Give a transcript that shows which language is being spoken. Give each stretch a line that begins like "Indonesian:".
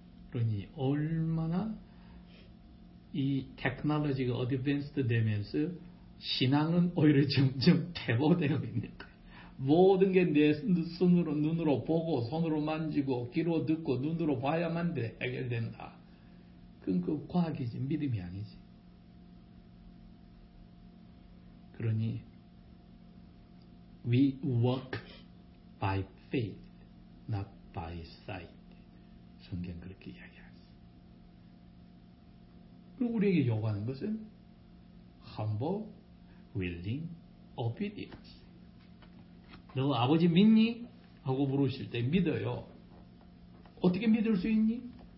Korean: 그러니 얼마나 이 테크놀로지가 어드밴스드 되면서 신앙은 오히려 점점 퇴보되어 있는 거예요. 모든 게 내 손으로, 눈으로 보고 손으로 만지고 귀로 듣고 눈으로 봐야만 돼 해결된다. 그건 그 과학이지 믿음이 아니지. 그러니
English: we walk by faith, not by sight.
Korean: 성경 그렇게 이야기하죠. 우리에게 요구하는 것은
English: humble, willing, obedience.
Korean: 너 아버지 믿니? 하고 물으실 때 믿어요. 어떻게 믿을 수 있니?